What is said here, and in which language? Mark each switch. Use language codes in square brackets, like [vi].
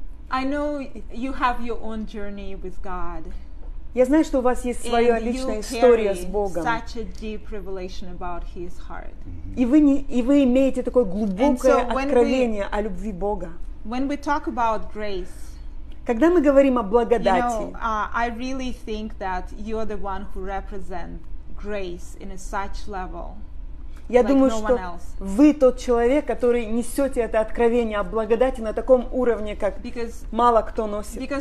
[en] I know you have your own journey with God. [ru] Я знаю, что у вас есть своя личная история с Богом. [en] And you carry such a deep revelation about His heart. [ru] И вы имеете такое глубокое откровение о любви Бога. [en] When we talk about grace, [ru] когда мы говорим о благодати, [en] you know, I really think that you're the one who represent grace in a such level. [ru] Я думаю, что вы тот человек, который несете это откровение о благодати на таком уровне, как мало кто носит.